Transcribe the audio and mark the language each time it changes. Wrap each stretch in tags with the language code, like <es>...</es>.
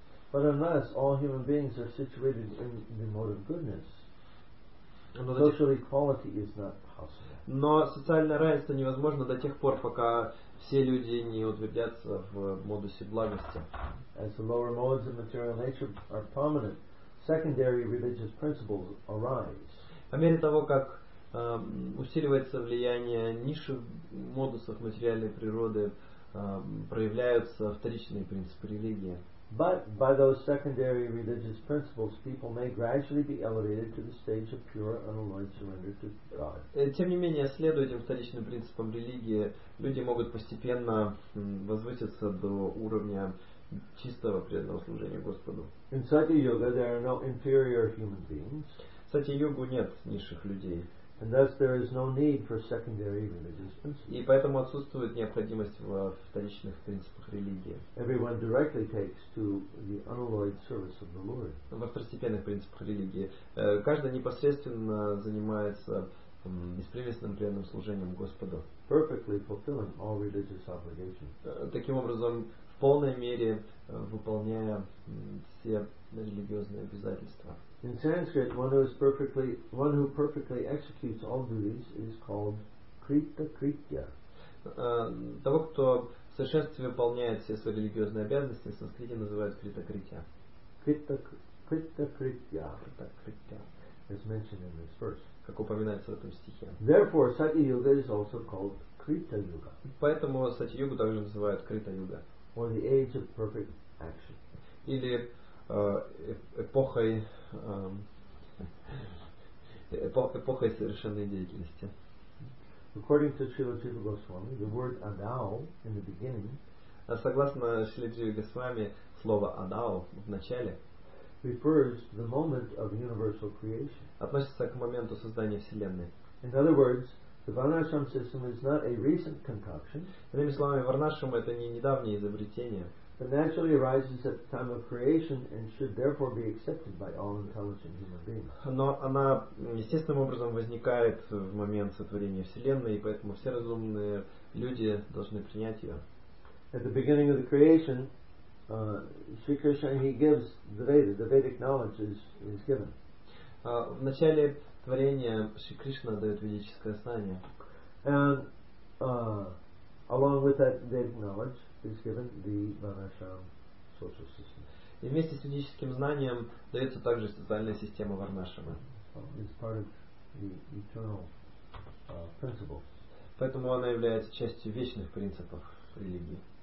<en>But unless all human beings are situated in the mode of goodness, social equality is not possible.</en> <ru>Но социальное равенство невозможно до тех пор, пока все люди не утвердятся в модусе благости.</ru> <en>As the lower modes of material nature are prominent, secondary religious principles arise.</en> <ru>По мере того, как усиливается влияние низших модусов материальной природы, проявляются вторичные принципы религии.</ru> <en>But by those secondary religious principles, people may gradually be elevated to the stage of pure unalloyed surrender to God.</en> <ru>Тем не менее, следуя этим вторичным принципам религии, люди могут постепенно возвыситься до уровня чистого преданного служения Господу.</ru> <en>In Satya-yuga, there are no inferior human beings.</en> <ru>В Сатья-йогу нет низших людей.</ru> <en>And thus, there is no need for secondary religious principles.</en> <ru>И поэтому отсутствует необходимость в вторичных принципах религии.</ru> <en>Everyone directly takes to the unalloyed service of the Lord.</en> <ru>Во второстепенных принципах религии каждый непосредственно занимается беспрерывным преданным служением Господу.</ru> <en>Perfectly fulfilling all religious obligations.</en> <ru>Таким образом, в полной мере выполняя все религиозные обязательства.</ru> <en>In Sanskrit, one who perfectly executes all duties is called Krita Kritya.</en> <ru>Того, кто в совершенстве выполняет все свои религиозные обязанности, в санскрите называют Крита Критья. Крита Критья. Крита Критья.</ru> <en>As mentioned in this verse.</en> <ru>Как упоминается в этом стихе.</ru> <en>Therefore, Satya Yuga is also called Krita Yuga.</en> <ru>Поэтому Сати Югу также называют Крита Юга.</ru> <en>Or the age of perfect action.</en> <ru>Или эпохой эпохой совершенной деятельности.</ru> <en>According to Srila Jiva Goswami, the word adao in the beginning,</en> <ru>согласно Шриле Дживе Госвами, слово адао в начале</ru> <en>refers to the moment of universal creation.</en> <ru>Относится к моменту создания вселенной.</ru> <en>In other words, the Varnashram system is not a recent concoction.</en> <ru>Иными словами, Варнашрам это не недавнее изобретение.</ru> <en>It naturally arises at the time of creation and should therefore be accepted by all intelligent human beings.</en> <ru>Но она естественным образом возникает в момент сотворения Вселенной, и поэтому все разумные люди должны принять ее.</ru> <en>At the beginning of the creation, Sri Krishna, he gives the Veda, the Vedic knowledge is given.</en> <ru>В начале творения Шри Кришна дает ведическое знание.</ru> <en>And along with that Vedic knowledge, is given the Varnashram social system.</en> <ru>И вместе с ведическим знанием дается также социальная система Варнашрама.</ru> <en>It's part of the eternal principle.</en> <ru>Поэтому она является частью вечных принципов религии.</ru>